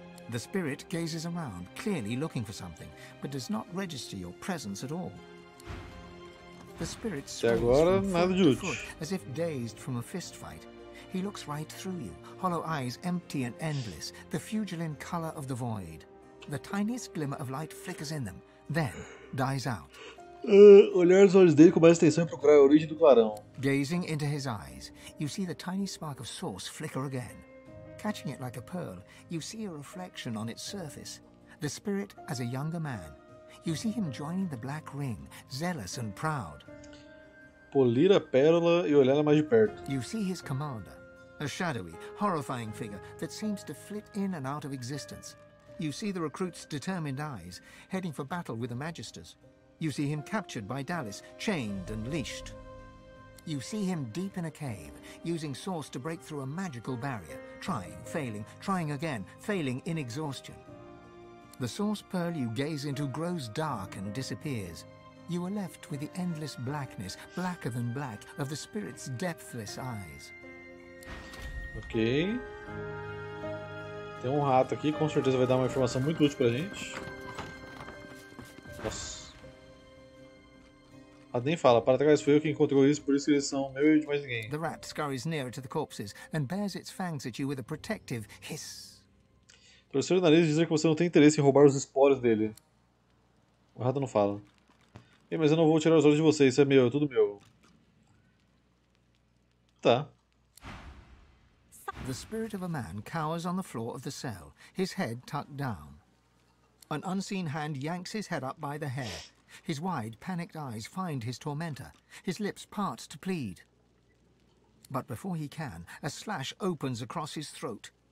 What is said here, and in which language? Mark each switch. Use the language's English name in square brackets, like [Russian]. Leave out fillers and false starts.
[English] The spirit gazes around, clearly looking for something, but does not register your presence at all. The spirit swings as if dazed from a fist fight. He looks right through you, hollow eyes empty and endless, the fugiline color of the void. The tiniest glimmer of light flickers in them, then dies out. [Portuguese] Olhar os olhos dele com mais atenção e procurar a origem do clarão. [English] Gazing into his eyes, you see the tiny spark of source flicker again. Catching it like a pearl, you see a reflection on its surface. The spirit as a younger man. You see him joining the black ring, zealous and proud. [Portuguese] Polir a pérola e olhar mais de perto. [English] You see his commander, a shadowy, horrifying figure that seems to flit in and out of existence. You see the recruit's determined eyes, heading for battle with the magisters. You see him captured by Dallas, chained and leashed. You see him deep in a cave, using source to break through a magical barrier, trying, failing, trying again, failing in exhaustion. The source pearl you gaze into grows dark and disappears. You are left with the endless blackness, blacker than black, of the spirit's depthless eyes. Okay. [Portuguese] Tem rato aqui, com certeza vai dar uma informação muito útil pra gente. Nossa. Ela nem fala, para trás foi eu que encontrou isso, por isso eles são meu e de mais ninguém. [English] The rat scurries nearer to the corpses and bears its fangs at you with a protective hiss. [Portuguese] Professor Nariz diz que você não tem interesse em roubar os esporos dele. O rato não fala. Ei, mas eu não vou tirar os olhos de você, isso é meu, é tudo meu. Tá. [English] The spirit of a man cowers on the floor of the cell, his head tucked down. An unseen hand yanks his head up by the hair. His wide, panicked eyes find his tormentor. His lips part to plead. But before he can, a slash opens across his throat.